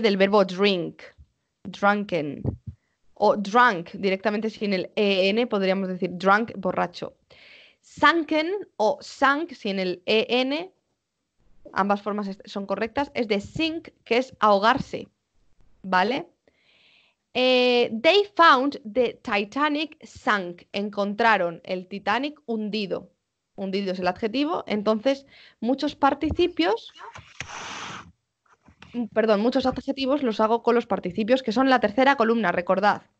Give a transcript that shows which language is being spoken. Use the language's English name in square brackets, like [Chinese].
[Spanish] Del verbo drink, drunken, o drunk, directamente sin el en, podríamos decir drunk, borracho. Sunken o sunk, sin el en, ambas formas son correctas, es de sink, que es ahogarse, ¿vale? [English] They found the Titanic sunk. [Spanish] Encontraron el Titanic hundido. Hundido es el adjetivo. Entonces, muchos participios. Perdón, muchos adjetivos los hago con los participios, que son la tercera columna, recordad.